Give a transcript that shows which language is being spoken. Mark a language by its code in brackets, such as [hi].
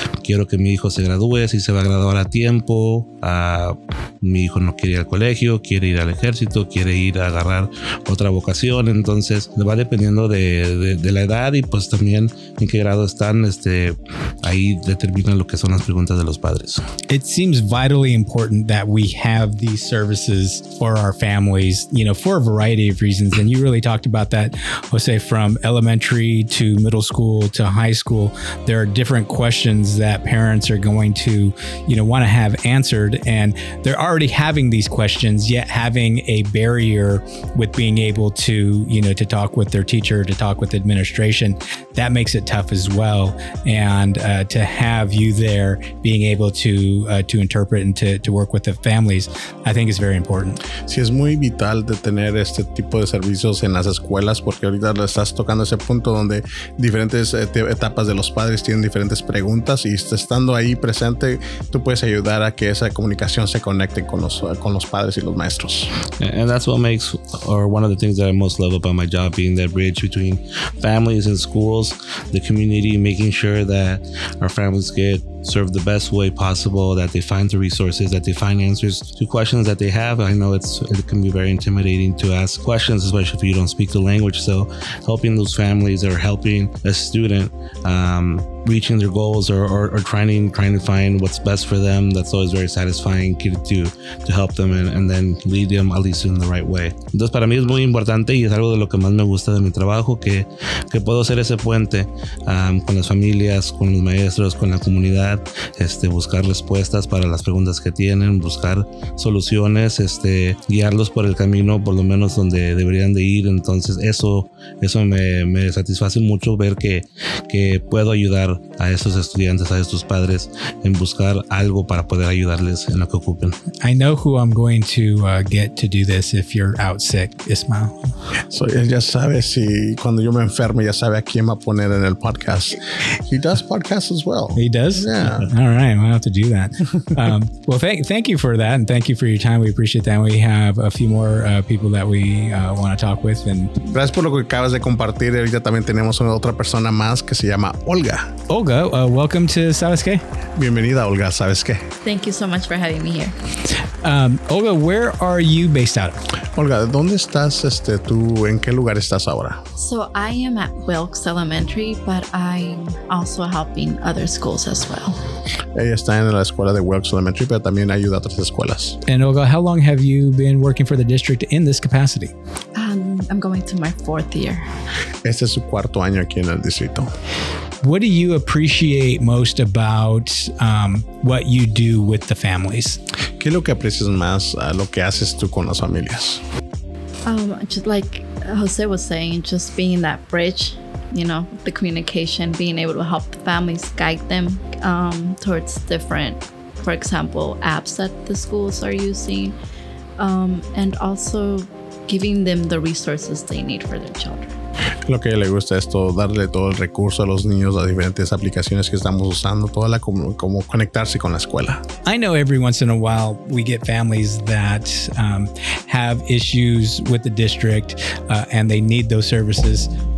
[es] Quiero que mi hijo se gradúe, si se va a graduar a tiempo. Mi hijo no quiere ir al colegio, quiere ir al ejército, quiere ir a agarrar otra vocación. Entonces va dependiendo de la edad y pues también en qué grado están. Ahí determina lo que son las preguntas de los padres. [en] It seems vitally important that we have these services for our families, you know, for a variety of reasons. And you really talked about that, Jose, from elementary to middle school to high school. There are different questions that parents are going to, you know, want to have answered, and they're already having these questions, yet having a barrier with being able to, you know, to talk with their teacher, to talk with administration, that makes it tough as well. And to have you there being able to interpret and to work with the families, I think is very important. [es] Sí, es muy vital de tener este tipo de servicios en las escuelas, porque ahorita lo estás tocando ese punto donde diferentes etapas de los padres tienen diferentes preguntas, y estando ahí presente, tú puedes ayudar a que esa comunicación se conecte con los padres y los maestros. [en] And that's what makes, or one of the things that I most love about my job, being that bridge between families and schools, the community, making sure that our families get served the best way possible, that they find the resources, that they find answers to questions that they have. I know it can be very intimidating to ask questions, especially if you don't speak the language. So helping those families or helping a student reaching their goals or trying to find what's best for them, that's always very satisfying to help them and then lead them at least in the right way. [es] Entonces para mí es muy importante y es algo de lo que más me gusta de mi trabajo, que puedo ser ese puente con las familias, con los maestros, con la comunidad, buscar respuestas para las preguntas que tienen, buscar soluciones, guiarlos por el camino por lo menos donde deberían de ir. Entonces eso me satisface mucho, ver que puedo ayudar a esos estudiantes, a estos padres, en buscar algo para poder ayudarles en lo que ocupen. [en] I know who I'm going to get to do this if you're out sick, Ismael. [es] So él ya sabe si cuando yo me enfermo, ya sabe a quién va a poner en el podcast. [en] He does podcasts as well. He does? Yeah. All right, we'll have to do that. Well, thank you for that, and thank you for your time. We appreciate that. We have a few more people that we want to talk with. And [es] gracias por lo que acabas de compartir. Ahorita también tenemos una otra persona más que se llama Olga. [en] Olga, welcome to Sabes Qué. [es] Bienvenida, Olga, Sabes Qué. [en] Thank you so much for having me here. Olga, where are you based out of? [es] Olga, ¿dónde estás tú? ¿En qué lugar estás ahora? [en] So I am at Wilkes Elementary, but I'm also helping other schools as well. [es] Ella está en la escuela de Wilkes Elementary, pero también ayuda a otras escuelas. [en] And Olga, how long have you been working for the district in this capacity? I'm going to my 4th year. [es] Este es su cuarto año aquí en el distrito. [en] What do you appreciate most about what you do with the families? [es] ¿Qué es lo que aprecias más a lo que haces tú con las familias? [en] Just like Jose was saying, just being that bridge, you know, the communication, being able to help the families, guide them towards different, for example, apps that the schools are using, and also giving them the resources they need for their children. [es] Lo que le gusta es todo, darle todo el recurso a los niños, a diferentes aplicaciones que estamos usando, toda la como conectarse con la escuela. [en] I know every once in a while we get families that have issues with the district and they need those services.